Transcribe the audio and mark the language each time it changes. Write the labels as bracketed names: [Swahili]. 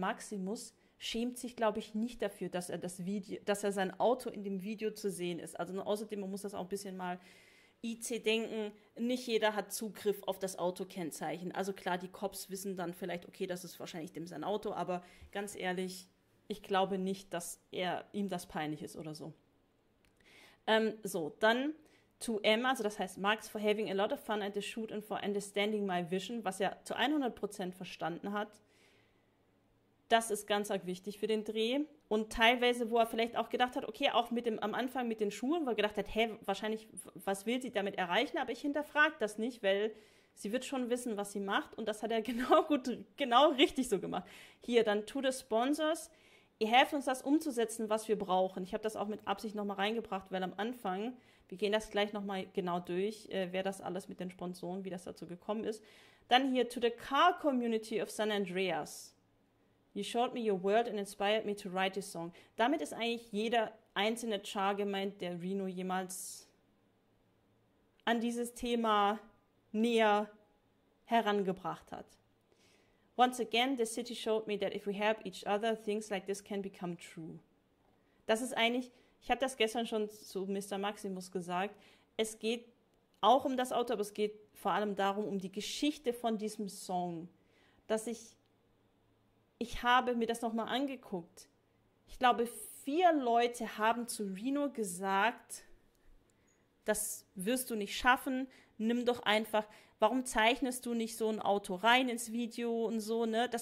[German] Maximus schämt sich, glaube ich, nicht dafür, dass er das Video, dass er sein Auto in dem Video zu sehen ist. Also außerdem, man muss das auch ein bisschen mal IC denken, nicht jeder hat Zugriff auf das Autokennzeichen. Also klar, die Cops wissen dann vielleicht, okay, das ist wahrscheinlich dem sein Auto, aber ganz ehrlich, ich glaube nicht, dass er ihm das peinlich ist oder so. [English] So, dann to M, [German] also das heißt [English] Max, for having a lot of fun at the shoot and for understanding my vision, [German] was er zu 100% verstanden hat. Das ist ganz arg wichtig für den Dreh. Und teilweise, wo er vielleicht auch gedacht hat, okay, auch am Anfang mit den Schuhen, wo er gedacht hat, hä, wahrscheinlich, was will sie damit erreichen? Aber ich hinterfrage das nicht, weil sie wird schon wissen, was sie macht. Und das hat er genau gut, genau richtig so gemacht. Hier, dann [English] to the sponsors. [German] Ihr helft uns, das umzusetzen, was wir brauchen. Ich habe das auch mit Absicht nochmal reingebracht, weil am Anfang, wir gehen das gleich nochmal genau durch, wer das alles mit den Sponsoren, wie das dazu gekommen ist. Dann hier [English] to the car community of San Andreas. You showed me your world and inspired me to write this song. [German] Damit ist eigentlich jeder einzelne Char gemeint, der Reno jemals an dieses Thema näher herangebracht hat. [English] Once again, the city showed me that if we help each other, things like this can become true. [German] Das ist eigentlich, ich habe das gestern schon zu Mr. Maximus gesagt, es geht auch um das Auto, aber es geht vor allem darum, um die Geschichte von diesem Song, dass ich habe mir das nochmal angeguckt. Ich glaube, vier Leute haben zu Reno gesagt, das wirst du nicht schaffen, nimm doch einfach, warum zeichnest du nicht so ein Auto rein ins Video und so, ne?